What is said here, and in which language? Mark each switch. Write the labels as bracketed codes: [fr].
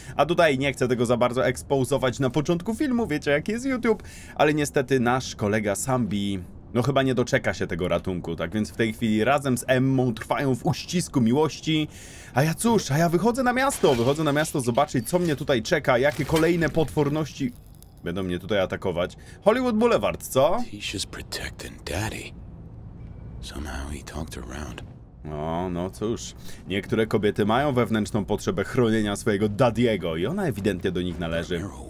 [pl] A tutaj nie chcę tego za bardzo ekspozować na początku filmu, wiecie jak jest YouTube, ale niestety nasz kolega Sambi, no chyba nie doczeka się tego ratunku, tak więc w tej chwili razem z Emmą trwają w uścisku miłości. A ja cóż, a ja wychodzę na miasto zobaczyć, co mnie tutaj czeka, jakie kolejne potworności będą mnie tutaj atakować. Hollywood Boulevard, co? [en] Tisha's protecting daddy. Somehow he talked around. [pl] No, no cóż, niektóre kobiety mają wewnętrzną potrzebę chronienia swojego daddy'ego i ona ewidentnie do nich należy.